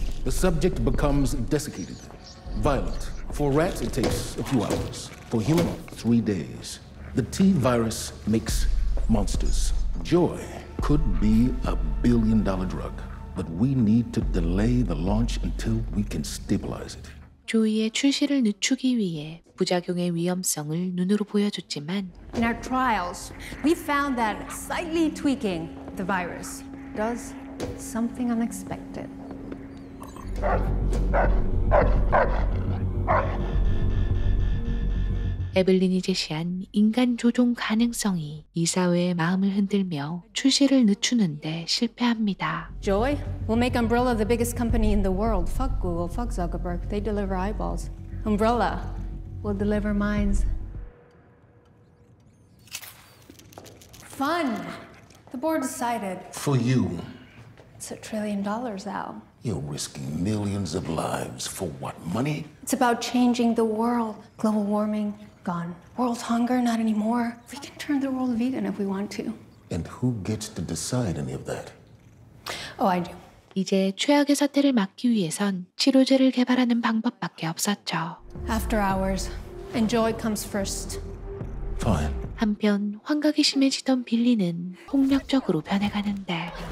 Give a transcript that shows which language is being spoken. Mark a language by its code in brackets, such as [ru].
[en] The subject becomes desiccated, violent. For rats, it takes a few hours. For human, 3 days. The T-virus makes monsters. Joy. Could be a billion-dollar drug, but we need to delay the launch until we can stabilize it. [ko] 조이의 출시를 늦추기 위해 부작용의 위험성을 눈으로 보여줬지만 [en] In our trials, we found that slightly tweaking the virus does something unexpected. (웃음) [ko] 에블린이 제시한 인간 조종 가능성이 이 사회의 마음을 흔들며 출시를 늦추는 데 실패합니다. [en] Joy, we'll make Umbrella the biggest company in the world. Fuck Google, fuck Zuckerberg. They deliver eyeballs. Umbrella will deliver minds. Fun. The board decided. For you. It's $1 trillion, Al. You're risking millions of lives for what, money? It's about changing the world. Global warming, gone. World hunger, not anymore. We can turn the world vegan if we want to. And who gets to decide any of that? Oh, I do. [ko] 이제 최악의 사태를 막기 위해선 치료제를 개발하는 방법밖에 없었죠. [en] After hours, and joy comes first. Fine. [ko] 한편 환각이 심해지던 빌리는 폭력적으로 변해가는데.